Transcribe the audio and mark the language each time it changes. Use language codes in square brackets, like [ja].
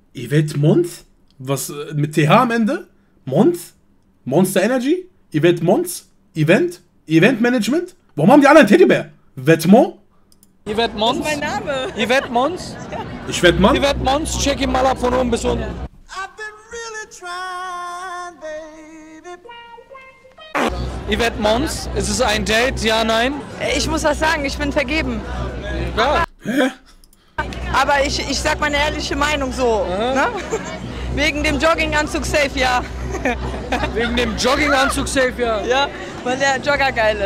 [de] Yvette Mons? Was mit TH am Ende? Mons? Monster Energy? Yvette Mons? Event? Event Management? Warum haben die alle ein Teddybär? Vetements? Yvette Mons? Das ist mein Name. Yvette Mons? Ich werd Mann. Ich werd Mons, check ihn mal ab von oben bis unten. [en] I've been really trying, baby. [de] Ich werd Mons, ist es ein Date, ja, nein? Ich muss was sagen, ich bin vergeben. Ja. Aber ich sag meine ehrliche Meinung so, ne? Wegen dem Jogginganzug safe, ja. Wegen dem Jogginganzug safe, ja. Ja, weil der Jogger geil ist.